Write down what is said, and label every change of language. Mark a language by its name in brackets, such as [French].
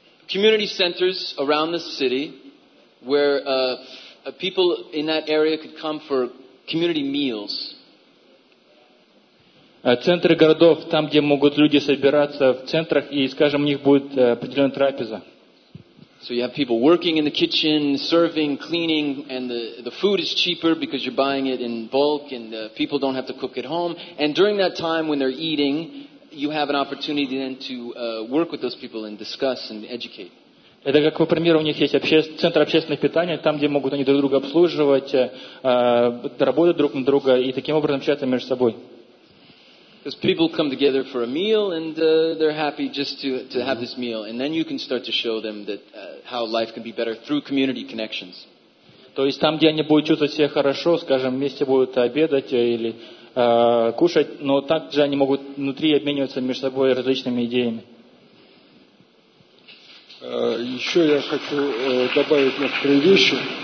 [English] Community centers around the city where people in that area could come for community meals. [Russian] Центры городов, там, где могут люди собираться в центрах, и, скажем, у них будет определенная трапеза. [English] So you have people working in the kitchen, serving, cleaning, and the food is cheaper because you're buying it in bulk, and people don't have to cook at home. And during that time when they're eating, you have an opportunity then to work with those people and discuss and educate. [Russian] Это как, например, у них есть центр общественного питания, там, где могут они друг друга обслуживать, работать друг на друга и таким образом общаться между собой. [English] Because people come together for a meal and they're happy just to have this meal. And then you can start to show them that how life can be better through community connections. [Russian] То есть там, где они будут чувствовать себя хорошо, скажем, вместе будут обедать или кушать, но также они могут внутри обмениваться между собой различными идеями. Еще я хочу добавить некоторые вещи.